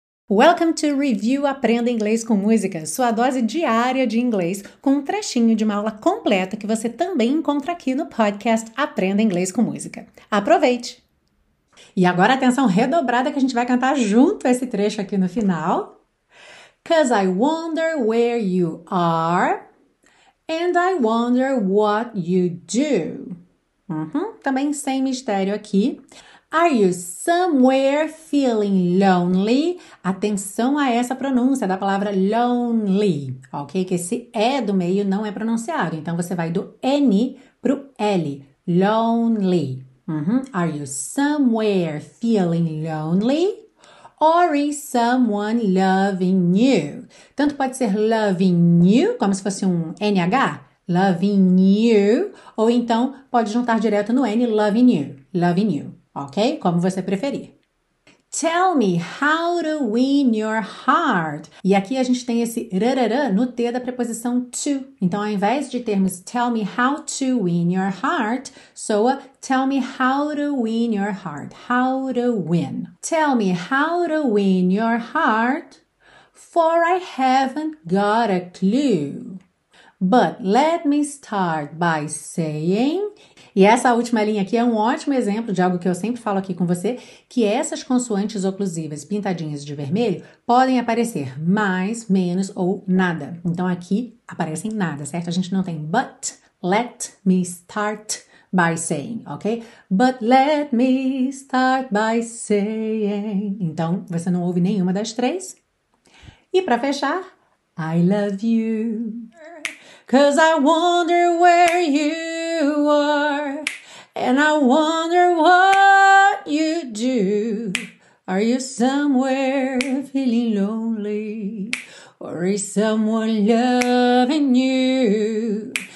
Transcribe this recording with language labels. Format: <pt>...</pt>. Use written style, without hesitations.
<en>Welcome to</en> <pt>Review Aprenda Inglês com Música, sua dose diária de inglês, com um trechinho de uma aula completa que você também encontra aqui no podcast Aprenda Inglês com Música. Aproveite! E agora atenção redobrada que a gente vai cantar junto esse trecho aqui no final.</pt> <en>'Cause I wonder where you are and I wonder what you do.</en> <pt>Também sem mistério aqui.</pt> <en>Are you somewhere feeling lonely?</en> <pt>Atenção a essa pronúncia da palavra lonely, ok? Que esse E do meio não é pronunciado. Então, você vai do N pro L, lonely.</pt> <en>Are you somewhere feeling lonely? Or is someone loving you?</en> <pt>Tanto pode ser</pt> <en>loving you,</en> <pt>como se fosse um NH, loving you. Ou então, pode juntar direto no N,</pt> <en>loving you.</en> <pt>Ok? Como você preferir.</pt> <en>Tell me how to win your heart.</en> <pt>E aqui a gente tem esse rararã no T da preposição to. Então, ao invés de termos</pt> <en>tell me how to win your heart,</en> <pt>soa</pt> <en>tell me how to win your heart. How to win. Tell me how to win your heart, for I haven't got a clue. But let me start by saying...</en> <pt>E essa última linha aqui é um ótimo exemplo de algo que eu sempre falo aqui com você, que essas consoantes oclusivas pintadinhas de vermelho podem aparecer mais, menos ou nada. Então aqui aparecem nada, certo? A gente não tem</pt> <en>but, let me start by saying,</en> <pt>ok?</pt> <en>But let me start by saying.</en> <pt>Então você não ouve nenhuma das três. E pra fechar,</pt> <en>I love you. 'Cause I wonder where you are, and I wonder what you do. Are you somewhere feeling lonely, or is someone loving you?</en>